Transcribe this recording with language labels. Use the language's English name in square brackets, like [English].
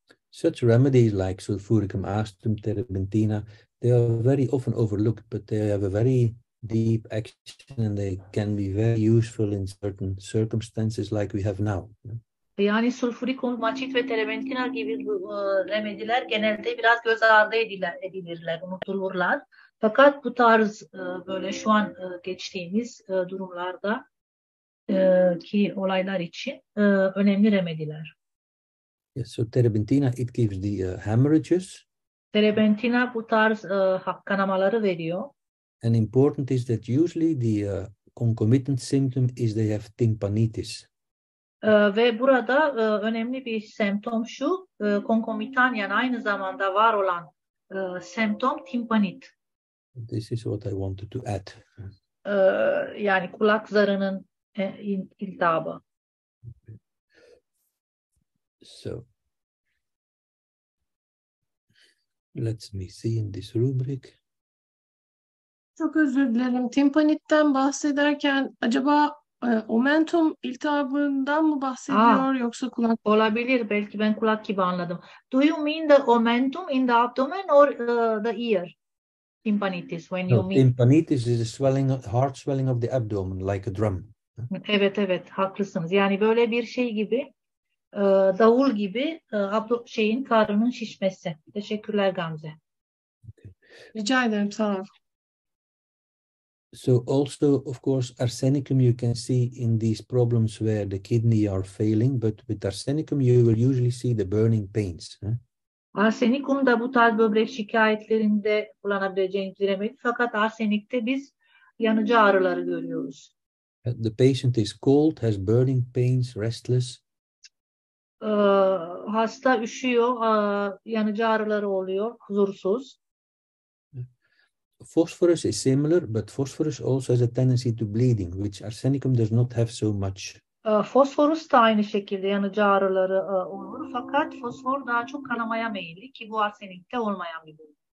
[English] Such remedies like sulfuric amastum, terebintina, they are very often overlooked, but they have a very deep action and they can be very useful in certain circumstances like we have now. [Turkish] Yani sulfurik amastum ve terebintina gibi remediler genelde biraz göz ardı edilirler, unutulurlar. Fakat bu tarz böyle şu an geçtiğimiz durumlarda ki olaylar için önemli remediler. [English] Yes, so terebintina it gives the hemorrhages. [Turkish] Terebintina bu tarz kanamaları veriyor. [English] And important is that usually the concomitant symptom is they have tympanitis. [Turkish] Ve burada önemli bir semptom şu, konkomitan yani aynı zamanda var olan semptom timpanit. [English] This is what I wanted to add. [Turkish] Yani kulak zarının iltihabı. [English] So, let me see in this rubric. [Turkish] Çok özür dilerim. Timpanitten bahsederken acaba omentum iltihabından mı bahsediyor yoksa kulak? Olabilir, belki ben kulak gibi anladım. [English] Do you mean the omentum in the abdomen or the ear? Tympanitis when no, you mean? Tympanitis is a swelling, hard swelling of the abdomen like a drum. [Turkish] Evet evet, haklısınız. Yani böyle bir şey gibi, davul gibi şeyin karnının şişmesi. Teşekkürler Gamze. Okay. Rica ederim, sağ ol. [English] So also, of course, arsenicum you can see in these problems where the kidney are failing, but with arsenicum you will usually see the burning pains. [Turkish] Arsenicum da bu tarz böbrek şikayetlerinde kullanabileceğiniz bir remedi, fakat arsenikte biz yanıcı ağrıları görüyoruz. [English] The patient is cold, has burning pains, restless. [Turkish] Hasta üşüyor, yanıcı ağrıları oluyor, huzursuz. [English] Phosphorus is similar, but phosphorus also has a tendency to bleeding, which arsenicum does not have so much. [Turkish] Phosphorus da aynı şekilde yanıcı ağrıları olur, fakat fosfor daha çok kanamaya meyilli, ki bu arsenikte olmayan bir durum.